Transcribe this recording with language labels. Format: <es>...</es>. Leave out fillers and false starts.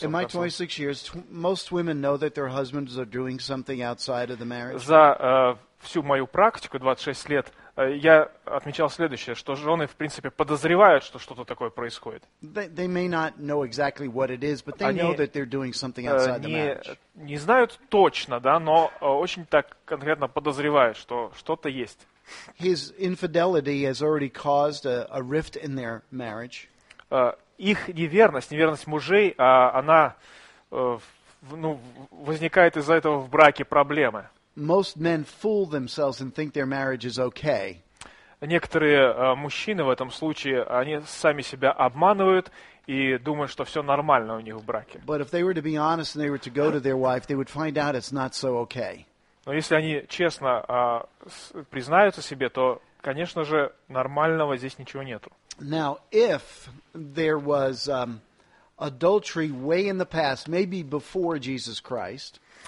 <en>In my 26 years, most women know that their husbands are doing something outside of the marriage.</en> <ru>За всю мою практику 26 лет я отмечал следующее, что жены в принципе подозревают, что что-то такое происходит.</ru> <en>They may not know exactly what it is, but they know that they're doing something outside the marriage.</en> <ru>Они не знают точно, да, но очень так конкретно подозревают, что что-то есть.</ru> <en>His infidelity has already caused a rift in their marriage.</en> <ru>Их неверность мужей, она возникает из-за этого в браке проблемы.</ru> <en>Most men fool themselves and think their marriage is okay.</en> <ru>Некоторые мужчины в этом случае, они сами себя обманывают и думают, что все нормально у них в браке.</ru> <en>But if they were to be honest and they were to go to their wife, they would find out it's not so okay.</en> <ru>Но если они честно признаются себе, то, конечно же, нормального здесь ничего нету.</ru> <en>Now, if there was adultery way in the past, maybe before Jesus Christ,</en>